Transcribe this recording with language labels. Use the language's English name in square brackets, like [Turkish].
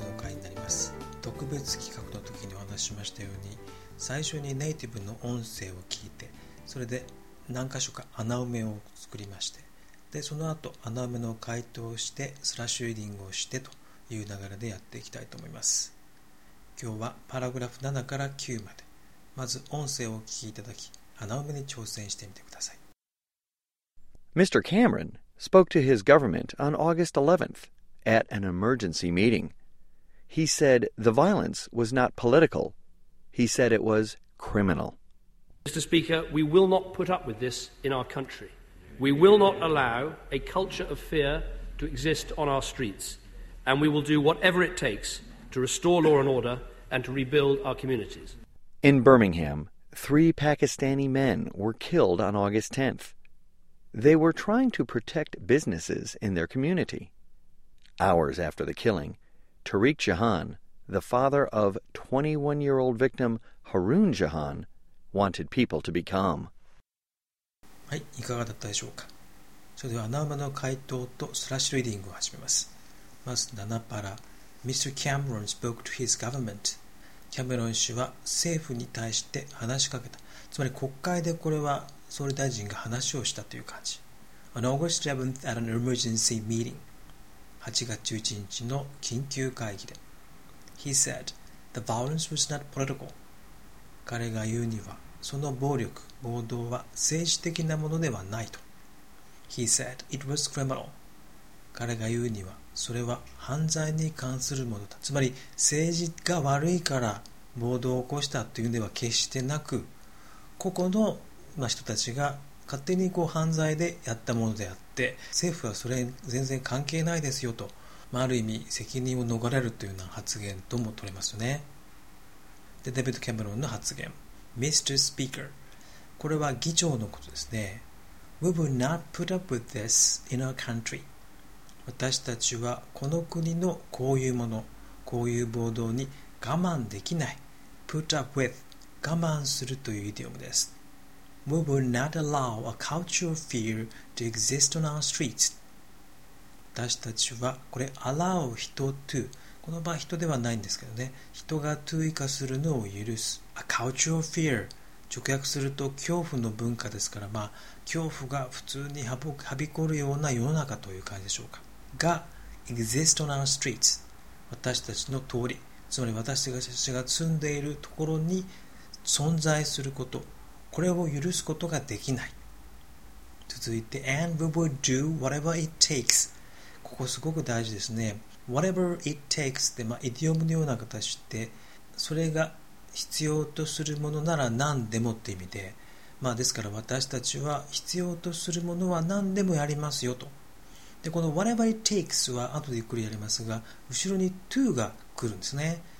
[Japanese] 時にお話しましたように、最初にネイティブの音声を聞いて、それで何箇所か穴埋めを作りまして、でその後穴埋めの回答をしてスラッシュリーディングをしてという流れでやっていきたいと思います。今日はパラグラフ7から9まで、まず音声を聞きいただき、穴埋めに挑戦してみてください。 [English] Mr. Cameron spoke to his government on August 11th at an emergency meeting. He said the violence was not political. He said it was criminal. Mr. Speaker, we will not put up with this in our country. We will not allow a culture of fear to exist on our streets. And we will do whatever it takes to restore law and order and to rebuild our communities. In Birmingham, three Pakistani men were killed on August 10th. They were trying to protect businesses in their community. Hours after the killing, Tariq Jahan, the father of 21-year-old victim Haroon Jahan, wanted people to be calm. [Japanese] はい、いかがだったでしょうか。それでは穴埋めの回答とスラッシュリーディングを始めます。まず7パラ。Mr. [English] Cameron spoke to his government. [Japanese] キャメロン氏は政府に対して話しかけた。つまり国会でこれは総理大臣が話をしたという感じ。 [English] On August 11th at an emergency meeting. [Japanese] 8月11日の緊急会議で。 [English] He said the violence was not political. [Japanese] 彼が言うにはその暴力、暴動は政治的なものではないと。 [English] He said it was criminal. [Japanese] 彼が言うにはそれは犯罪に関するものだ。つまり政治が悪いから暴動を起こしたというのでは決してなく、ここの人たちが勝手にこう犯罪でやったものであって、政府はそれ全然関係ないですよと、ある意味責任を逃れるというような発言とも取れますよね。でデビッド・キャメロンの発言、 [English] Mr. Speaker、 [Japanese] これは議長のことですね。 [English] We will not put up with this in our country。 [Japanese] 私たちはこの国のこういうもの、こういう暴動に我慢できない。 put up with、 我慢するというイディオムです。 [English] We will not allow a culture of fear to exist on our streets. [Japanese] 私たちはこれ allow 人 to、 この場合人ではないんですけどね、人が to 以下するのを許す。 [English] A culture of fear、 [Japanese] 直訳すると恐怖の文化ですから、まあ恐怖が普通にはびこるような世の中という感じでしょうか、が [English] exist on our streets、 [Japanese] 私たちの通り、つまり私たちが住んでいるところに存在すること、これを許すことができない。続いて、 [English] And we will do whatever it takes。 [Japanese] ここすごく大事ですね。 [English] Whatever it takes [Japanese] って、まあ、イディオムのような形で、それが必要とするものなら何でもって意味で、まあ、ですから私たちは必要とするものは何でもやりますよと。でこの [English] Whatever it takes [Japanese] は後でゆっくりやりますが、後ろに to が来るんですね。